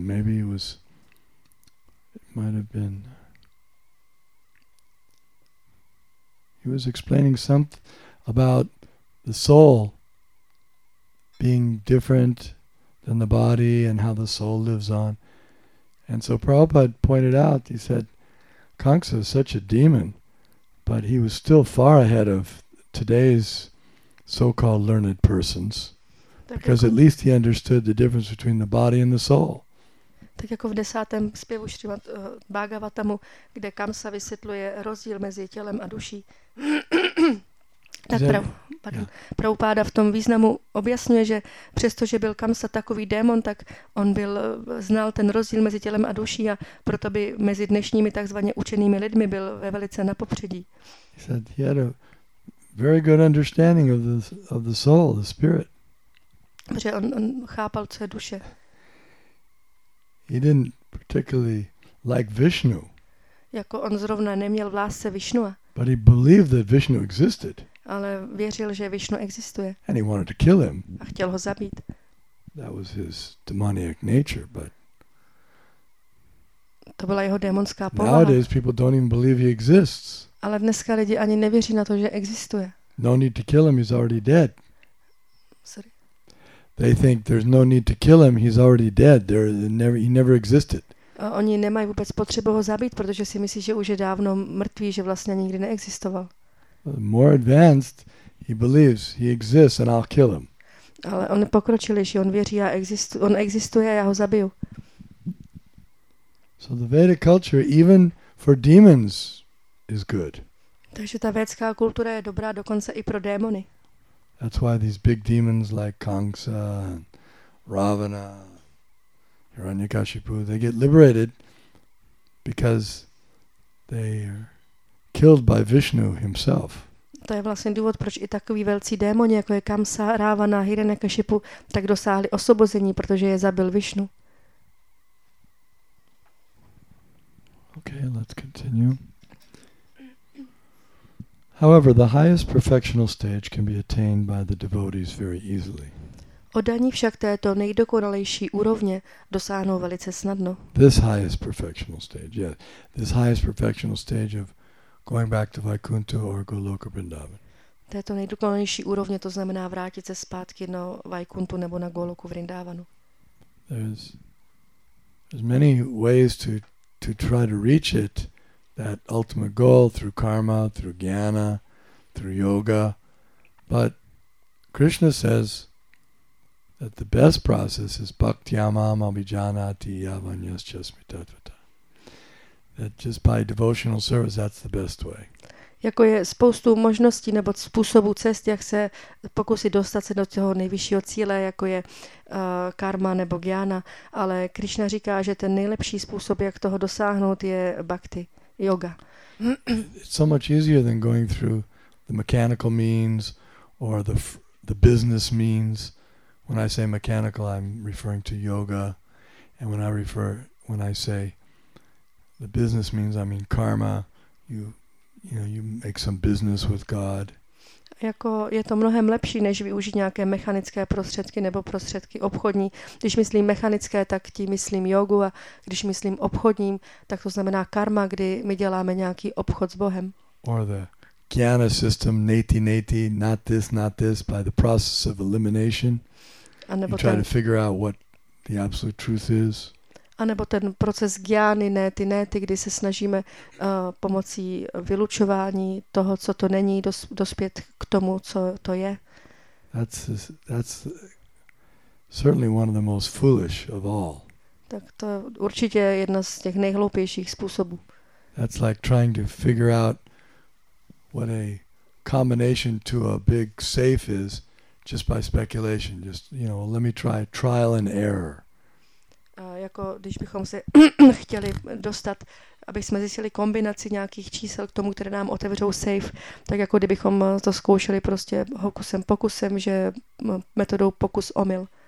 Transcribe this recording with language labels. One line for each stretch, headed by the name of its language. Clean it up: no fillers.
English: Maybe it was, it might have been, he was explaining something about the soul being different than the body and how the soul lives on. And so Prabhupada pointed out, he said, Kamsa is such a demon, but he was still far ahead of today's so-called learned persons. Because at least he understood the difference between the body and the soul.
Czech: Tak jako v desátém zpěvu Šrimad Bhagavatamu, kde Kamsa vysvětluje rozdíl mezi tělem a duší. Prabhupáda v tom významu objasňuje, že přestože byl Kamsa takový démon, tak on byl znal ten rozdíl mezi tělem a duší a proto by mezi dnešními takzvaně učenými lidmi byl ve velice na popředí.
English: He said he had a very good understanding of the soul, the spirit.
Czech: Protože on chápal, co je duše.
English: He didn't particularly like Vishnu.
Czech: Jako on zrovna neměl v lásce Vishnua.
English: But he believed that Vishnu existed.
Czech: Ale věřil, že Vishnu existuje.
English: And he wanted to kill him.
Czech: A chtěl ho zabít.
English: That was his demonic nature, but
Czech: to byla jeho démonská povaha.
English: Nowadays people don't even believe he exists.
Czech: Ale dneska lidi ani nevěří na to, že existuje.
English: No need to kill him, he's already dead. Sorry. They think there's no need to kill him, he's already dead. He never existed.
Czech: A oni nemají vůbec potřebu ho zabít, protože si myslí, že už je dávno mrtvý, že vlastně nikdy neexistoval.
English: More advanced, he believes he exists and I'll kill him.
Czech: Ale on pokročilejší, on věří, on existuje a já ho zabiju.
English: So the Vedic culture, even for demons, is good.
Czech: Takže ta védská kultura je dobrá dokonce i pro démony.
English: That's why these big demons like Kamsa and Ravana, Hiranyakashipu, they get liberated because they are killed by Vishnu himself.
Czech: To je vlastně důvod, proč i takový velcí démoni, jako je Kamsa, Ravana, Hiranyakashipu, tak dosáhli osvobození, protože je zabil Vishnu.
English: Okay, let's continue. However, the highest perfectional stage can be attained by the devotees very easily.
Czech: Oddaní však této nejdokonalejší úrovně dosáhnou velice snadno.
English: This highest perfectional stage, yes. This highest perfectional stage of going back to Vaikuntha or Goloka Vrindavan.
Czech: Této nejdokonalejší úrovně, to znamená vrátit se zpátky na Vaikuntu nebo na Goloku Vrindavanu.
English: There's many ways to try to reach it. That ultimate goal through karma, through jnana, through yoga. But Krishna says that the best process is
Sanskrit: bhaktyamam abhijanati yavanyascha smitatvata.
English: That just by devotional service, that's the best way.
Czech: Jako je spoustu možností nebo způsobů cest, jak se pokusit dostat se do toho nejvyššího cíle, jako je karma nebo jnana, ale Krishna říká, že ten nejlepší způsob, jak toho dosáhnout, je bhakti.
English: Yoga. It's so much easier than going through the mechanical means or the business means. When I say mechanical, I'm referring to yoga. And when I say the business means, I mean karma. You make some business with God.
Czech: Jako je to mnohem lepší, než využít nějaké mechanické prostředky nebo prostředky obchodní. Když myslím mechanické, tak tím myslím jogu a když myslím obchodním, tak to znamená karma, kdy my děláme nějaký obchod s Bohem.
English: Or the jnana system, neti neti, not this, not this, by the process of elimination. You try to figure out what the absolute truth is.
Czech: A nebo ten proces jnany, neti neti, kdy se snažíme pomocí vylučování toho, co to není, dospět k tomu, co to je.
English: That's certainly one of the most foolish of all.
Czech: Tak to je určitě jedna z těch nejhloupějších způsobů.
English: That's like trying to figure out what a combination to a big safe is just by speculation. Just, you know, let me try trial and error.
Czech: Jako když bychom se chtěli dostat, aby jsme zjistili kombinaci nějakých čísel k tomu, které nám otevřou safe, tak jako kdybychom to zkoušeli prostě hokusem pokusem, že metodou pokus omyl.